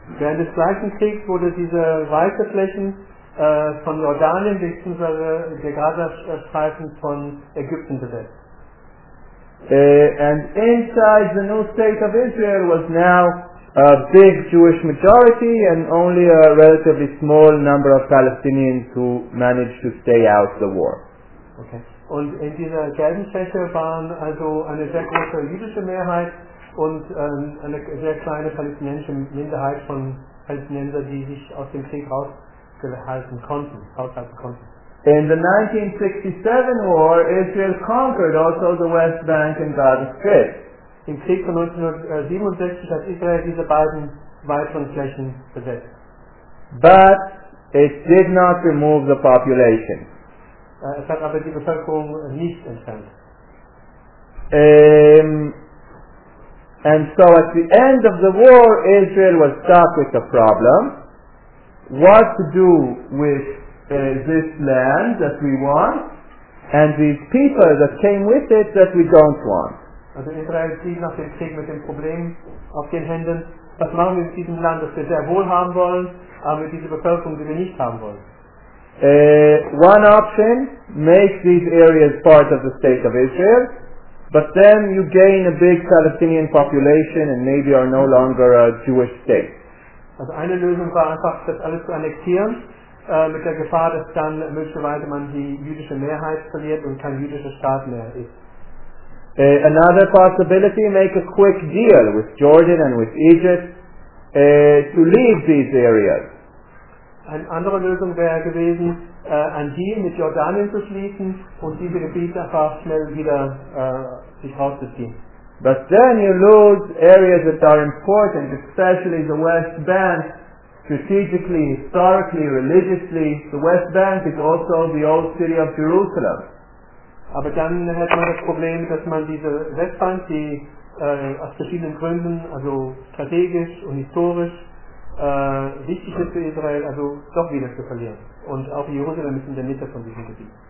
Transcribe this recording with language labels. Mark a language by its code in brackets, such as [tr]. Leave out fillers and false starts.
[de] Während des gleichen Kriegs wurde diese weiße Flächen von Jordanien bzw. der Gaza-Streifen von Ägypten besetzt. [en] And inside the new state of Israel was now a big Jewish majority and only a relatively small number of Palestinians who managed to stay out the war. Okay. [de] Und in dieser Gelbenfläche waren also eine sehr große jüdische Mehrheit und eine sehr kleine palästinensische Minderheit von Palästinensern, die sich aus dem Krieg raushalten konnten. [en] In the 1967 war, Israel conquered also the West Bank and Gaza Strip. [de] Im Krieg von 1967 hat Israel diese beiden weiteren Flächen besetzt. [en] But it did not remove the population. [de] Es hat aber die Bevölkerung nicht entfernt. [en] And so at the end of the war, Israel was stuck with the problem. What to do with this land that we want and these people that came with it that we don't want. [de] Also Israel steht nach dem Krieg mit dem Problem auf den Händen. Was machen wir mit diesem Land, das wir sehr wohl haben wollen, aber mit dieser Bevölkerung, die wir nicht haben wollen? [en] One option, make these areas part of the state of Israel, but then you gain a big Palestinian population and maybe are no longer a Jewish state. [de] Also eine Lösung war einfach, das alles zu annektieren, mit der Gefahr, dass dann möglicherweise man die jüdische Mehrheit verliert und kein jüdischer Staat mehr ist. [en] Another possibility, make a quick deal with Jordan and with Egypt to leave these areas. [de] Eine andere Lösung wäre gewesen, ein Deal mit Jordanien zu schließen und diese Gebiete einfach schnell wieder sich rauszuziehen. [en] But then you lose areas that are important, especially the West Bank, strategically, historically, religiously. The West Bank is also the old city of Jerusalem. [de] Aber dann hat man das Problem, dass man diese Westbank, die aus verschiedenen Gründen, also strategisch und historisch, wichtig ist für Israel, also doch wieder zu verlieren. Und auch Jerusalem ist in der Mitte von diesem Gebiet.